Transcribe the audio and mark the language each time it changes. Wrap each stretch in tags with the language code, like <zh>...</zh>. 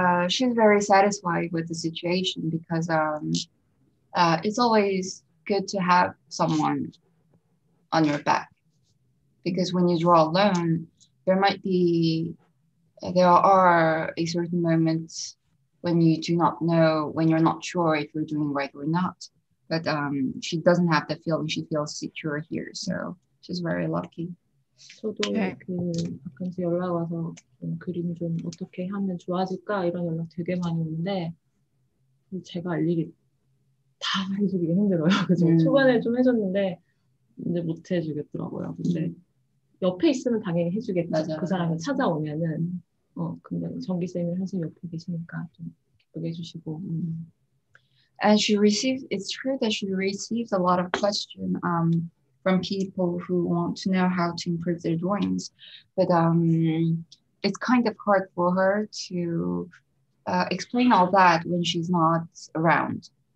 <en>She's very satisfied with the situation because it's always good to have someone on your back. Because when you draw alone, there are a certain moment when you do not know, when you're not sure if you're doing right or not. But she doesn't have the feeling, she feels secure here. So she's very lucky.</en> <ko>저도 그 아까 연락 와서 좀 그림 좀 어떻게 하면 좋아질까 이런 연락 되게 많이 오는데 제가 알 일이 다 해주기 힘들어요. 그래서 초반에 좀 해줬는데 이제 못 해주겠더라고요. 근데 옆에 있으면 당연히 해주겠죠. 맞아. 그 사람이 찾아오면은 근데 정기 쌤이 항상 옆에 계시니까 좀 기쁘게 해주시고.</ko> <en>And she receives. It's true that she receives a lot of questions. From people who want to know how to improve their drawings, but it's kind of hard for her to explain all that when she's not around.</en>